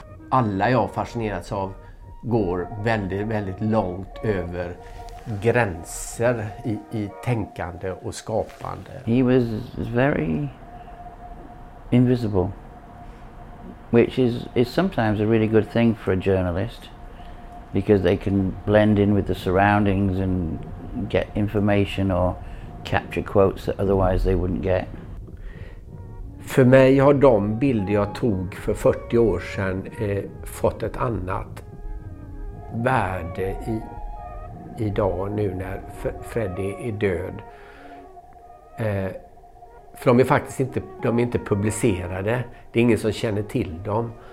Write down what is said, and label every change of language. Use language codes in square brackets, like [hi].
[sv] Alla jag fascinerats av går väldigt, väldigt långt över gränser i tänkande och skapande. [en] He was very invisible, which is sometimes a really good thing for a journalist, because they can blend in with the surroundings and get information or capture quotes that otherwise they wouldn't get. [sv] För mig har de bilder jag tog för 40 år sedan fått ett annat värde idag nu när Freddy är död. För de är inte publicerade. Det är ingen som känner till dem.